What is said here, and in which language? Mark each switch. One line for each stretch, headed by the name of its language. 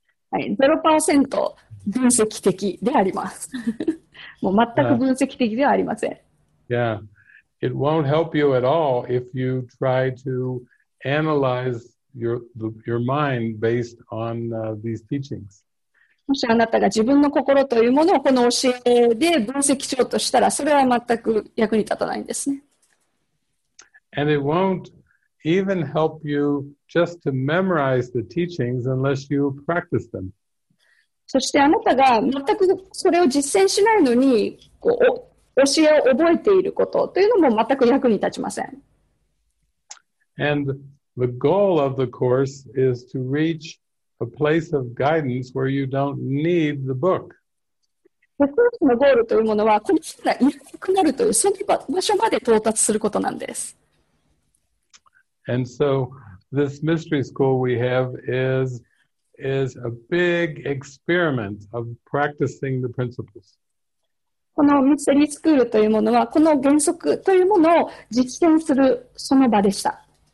Japanese: はい、0%分析的であります。もう全く分析的ではありません。
English: Yeah. It won't help you at all if you try to analyze your mind based on these teachings.
Japanese: もしあなたが自分の心というものをこの教えで分析しようとしたら、それは全く役に立たないんですね。
English: And it won't even help you just to memorize the teachings unless you practice them.
Japanese: そしてあなたが全くそれを実践しないのに、こう、教えを覚えていることというのも全く役に立ちません。
English: And the goal of the course is to reach a place of guidance where you don't need the book.
Japanese: コースのゴールというものは、この人がいなくなるという、その場所まで到達することなんです。
English: And so, this mystery school we have is a big experiment of practicing the principles.
Japanese: このミステリースクールというものは、この原則というものを実践するその場でした。